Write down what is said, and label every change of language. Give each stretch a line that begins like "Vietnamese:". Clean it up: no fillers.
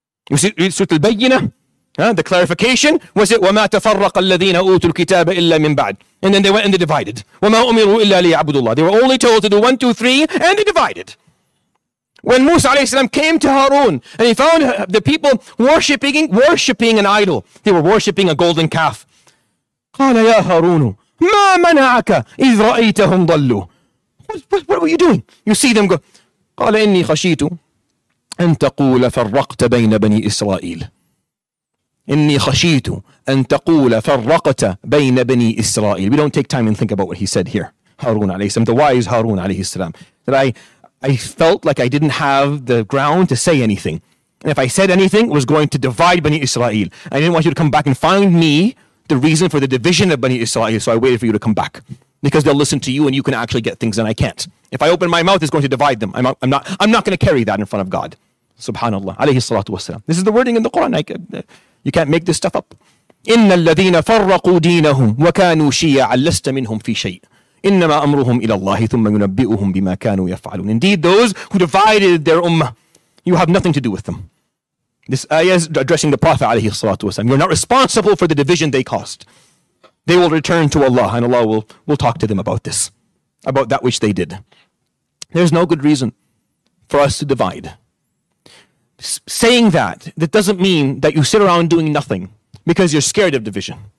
English: You see, Surah Al-Bayyinah, the clarification, was it,
Arabic: وَمَا تَفَرَّقَ الَّذِينَ أُوتُوا الْكِتَابَ إِلَّا مِن بَعْدِ.
English: And then they went and they divided.
Arabic: وَمَا أُمِرُوا إِلَّا لِيَعْبُدُوا اللَّهِ.
English: They were only told to do 1, 2, 3, and they divided. When Musa alayhi salam came to Harun and he found the people worshipping an idol, they were worshipping a golden calf.
Arabic: قَالَ يَا هَارُونُ مَا مَنَعَكَ إِذْ رَأَيْتَهُمْ ضَلُّوا.
English: What were you doing? You see them go.
Arabic: قَالَ إِنِّي خَشِيتُ أن تقول فرقت بين بني إسرائيل. إني خشيت أن تقول فرقت بين بني إسرائيل.
English: We don't take time and think about what he said here. Harun alayhi salam, the wise Harun alayhi salam. That I felt like I didn't have the ground to say anything. And if I said anything, it was going to divide Bani Israel. I didn't want you to come back and find me the reason for the division of Bani Israel. So I waited for you to come back. Because they'll listen to you and you can actually get things and I can't. If I open my mouth, it's going to divide them. I'm not going to carry that in front of God. Subhanallah. Alayhi salatu wasalam. This is the wording in the Quran. You can't make this stuff up.
Arabic: إِنَّ الَّذِينَ فَرَّقُوا دِينَهُمْ وَكَانُوا شِيَعًا لَسْتَ مِنْهُمْ فِي شَيْءٍ إنما أمرهم إلى الله ثم ينبئهم بما كانوا يفعلون.
English: Indeed, those who divided their ummah, you have nothing to do with them. This ayah is addressing the Prophet عليه الصلاة والسلام. You're not responsible for the division they caused. They will return to Allah, and Allah will talk to them about this, about that which they did. There's no good reason for us to divide. Saying that doesn't mean that you sit around doing nothing because you're scared of division.